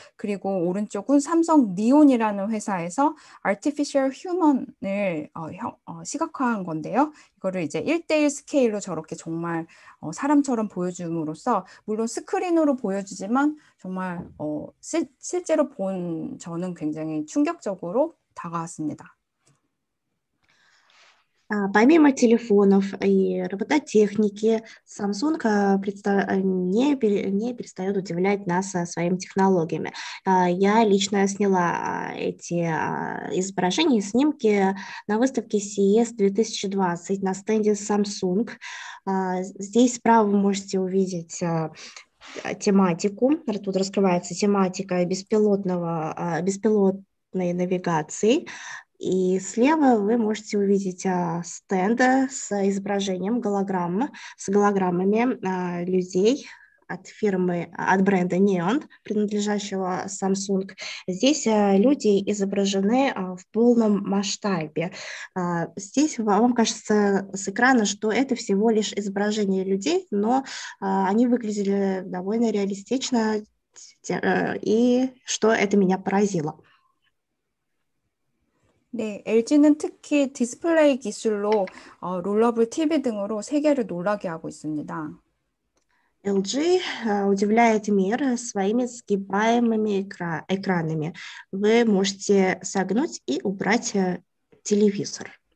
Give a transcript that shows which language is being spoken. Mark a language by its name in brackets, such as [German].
[Korean] 그리고 오른쪽은 삼성 니온이라는 회사에서 [English] Artificial Human [Korean] 을 시각화한 건데요. 이거를 이제 1대1 스케일로 저렇게 정말 사람처럼 보여줌으로써 물론 스크린으로 보여주지만 정말 실제로 본 저는 굉장히 충격적으로 다가왔습니다. [Russian] Помимо телефонов и робототехники, Samsung не перестает удивлять нас своими технологиями. Я лично сняла эти изображения и снимки на выставке CES 2020 на стенде Samsung. Здесь справа вы можете увидеть тематику. Тут раскрывается тематика беспилотной навигации. И слева вы можете увидеть стенд с изображением голограммы, с голограммами людей от фирмы, от бренда Neon, принадлежащего Samsung. Здесь люди изображены в полном масштабе. Здесь вам кажется с экрана, что это всего лишь изображение людей, но они выглядели довольно реалистично, и что это меня поразило. [Korean] 네, LG는 특히 디스플레이 기술로 롤러블 TV 등으로 세계를 놀라게 하고 있습니다. [Russian] LG удивляет мир своими сгибаемыми экранами. Вы можете согнуть и убрать телевизор.